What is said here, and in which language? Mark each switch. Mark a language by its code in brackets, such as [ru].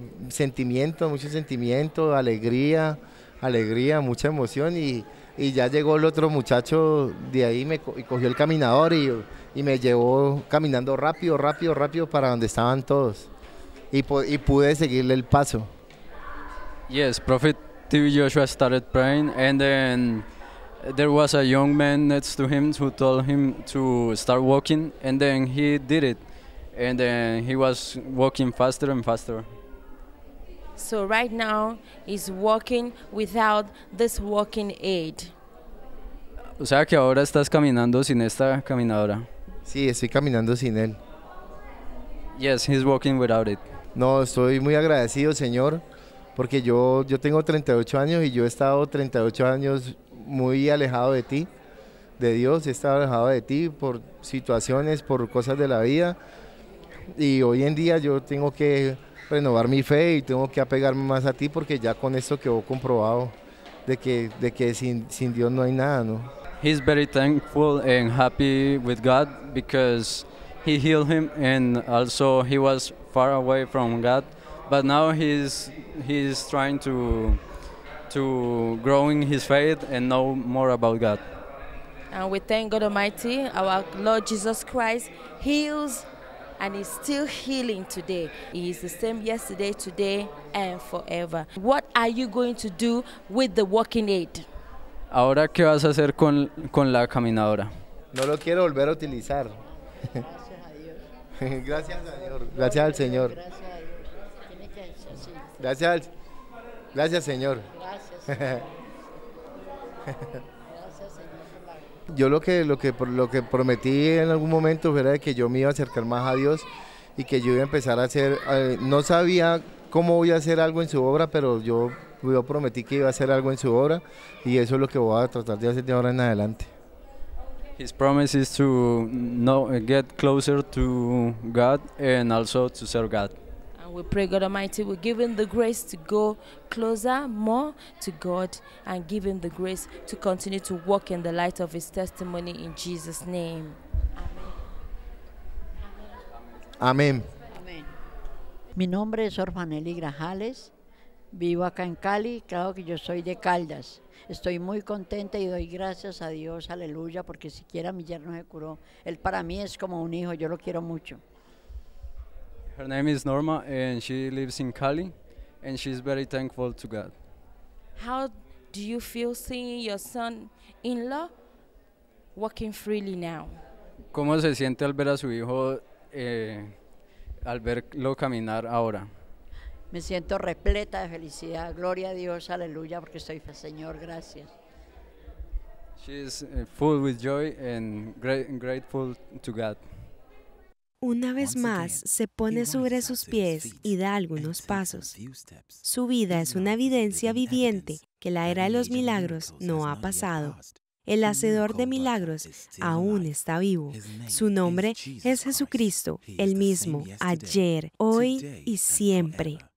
[es] sentimiento, mucho sentimiento, alegría, alegría, mucha emoción, y ya llegó el otro muchacho de ahí, y cogió el caminador y me llevó caminando rápido, rápido, rápido para donde estaban todos, y pude seguirle el paso. [en] Yes, Prophet TB Joshua started praying, and then there was a young man next to him who told him to start walking, and then he did it, and then he was walking faster and faster. So right now he's walking without this walking aid. [es] O sea que ahora estás caminando sin esta caminadora. Sí, estoy caminando sin él. [en] Yes, he's walking without it. [es] No, estoy muy agradecido, Señor, porque yo tengo 38 años y yo he estado 38 años muy alejado de ti, de Dios. He estado alejado de ti por situaciones, por cosas de la vida, y hoy en día yo tengo que renovar mi fe y tengo que apegarme más a ti, porque ya con esto que he comprobado de que sin Dios no hay nada, ¿no? [en] He's very thankful and happy with God because he healed him, and also he was far away from God, but now he's trying to grow in his faith and know more about God. And we thank God Almighty, our Lord Jesus Christ heals and is still healing today. He is the same yesterday, today and forever. What are you going to do with the walking aid? [es] ¿Ahora qué vas a hacer con la caminadora? No lo quiero volver a utilizar. Gracias a Dios. Gracias al Señor. Gracias a Dios. Gracias, Señor. Gracias, Señor. yo lo que prometí en algún momento era que yo me iba a acercar más a Dios y que yo iba a empezar a hacer, no sabía cómo voy a hacer algo en su obra, pero yo prometí que iba a hacer algo en su obra y eso es lo que voy a tratar de hacer de ahora en adelante. [en] His promise is to know, get closer to God and also to serve God. And we pray, God Almighty, we give him the grace to go closer, more to God, and give him the grace to continue to walk in the light of his testimony in Jesus' name. [es] Amén. Amén. Mi nombre es Orfanely Grajales, vivo acá en Cali, claro que yo soy de Caldas. Estoy muy contenta y doy gracias a Dios, aleluya, porque siquiera mi yerno se curó. Él para mí es como un hijo, yo lo quiero mucho. [en] Her name is Norma and she lives in Cali and she's very thankful to God. How do you feel seeing your son-in-law walking freely now? [es] ¿Cómo se siente al ver a su hijo al verlo caminar ahora? Me siento repleta de felicidad. Gloria a Dios, aleluya, porque estoy Señor, gracias. [en] She is full with joy and grateful to God. [es] Una vez más, se pone sobre sus pies y da algunos pasos. Su vida es una evidencia viviente que la era de los milagros no ha pasado. El Hacedor de milagros aún está vivo. Su nombre es Jesucristo, el mismo, ayer, hoy y siempre.